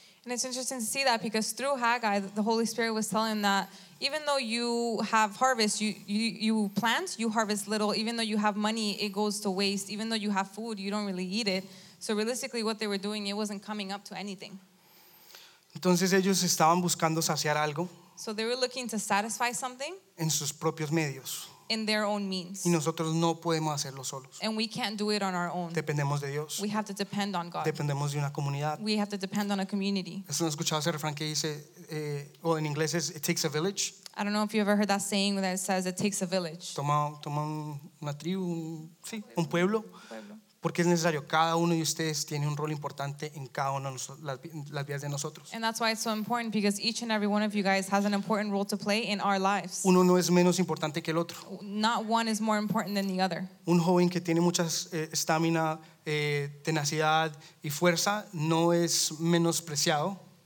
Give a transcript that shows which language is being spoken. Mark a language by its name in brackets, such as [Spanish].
[English] And it's interesting to see that because through Haggai, the Holy Spirit was telling that even though you have harvest, you plant, you harvest little. Even though you have money, it goes to waste. Even though you have food, you don't really eat it. So realistically, what they were doing, it wasn't coming up to anything. [Spanish] Entonces ellos estaban buscando saciar algo. [English] So they were looking to satisfy something. [Spanish] En sus propios medios. [English] In their own means. [Spanish] Y nosotros no podemos hacerlo solos. [English] And we can't do it on our own. [Spanish] Dependemos de Dios. [English] We have to depend on God. [Spanish] Dependemos de una comunidad. [English] We have to depend on a community. [Spanish] ¿Has escuchado ese refrán que dice, o en inglés es, [English] it takes a village? I don't know if you ever heard that saying that it says it takes a village. [Spanish] Toma una tribu, sí, un pueblo. Porque es necesario, cada uno de ustedes tiene un rol importante en cada una de las vidas de nosotros. [English] And that's why it's so important, because each and every one of you guys has an important role to play in our lives. [Spanish] Uno no es menos importante que el otro. [English] Not one is more important than the other. [Spanish] Un joven que tiene mucha estamina, tenacidad y fuerza no es menospreciado.